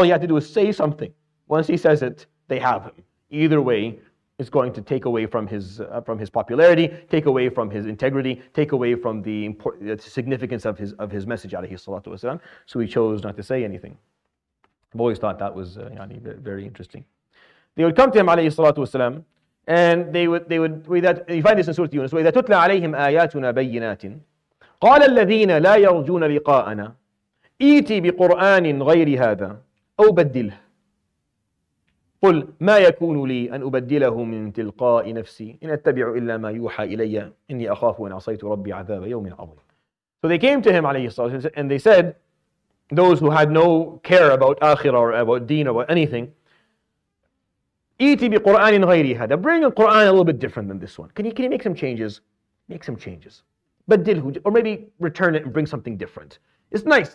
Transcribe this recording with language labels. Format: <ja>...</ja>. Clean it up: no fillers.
<en>All he had to do was say something. Once he says it, they have him. Either way, it's going to take away from his popularity, take away from his integrity, take away from the significance of his message, alayhi salatu wasalam. So he chose not to say anything. I've always thought that was very interesting. They would come to him, alayhi salatu wasalam, and you find this in Surah Yunus,</en> <ar>وَإِذَا تُتْلَى عَلَيْهِمْ آيَاتُنَا بَيِّنَاتٍ قَالَ الَّذِينَ لَا يَرْجُونَ لِقَاءَنَا إِيْتِي بِقُرْآنٍ غَيْرِ هَذَا أَوْ بَدِّلْهِ. قل ما يكون لي أن أبدله من تلقاء نفسي إن أتبع إلا ما يوحى إلي إني أخاف وإن عصيت ربي عذاب يوم عظيم.</ar> <en>So they came to him عليه الصلاة والسلام and they said, those who had no care about akhirah or about deen or about anything,</en> <ar>إيتي بقرآن غيري هذا,</ar> <en>bring a Quran a little bit different than this one. Can you make some changes? Make some changes. بدله, or maybe return it and bring something different. It's nice.</en>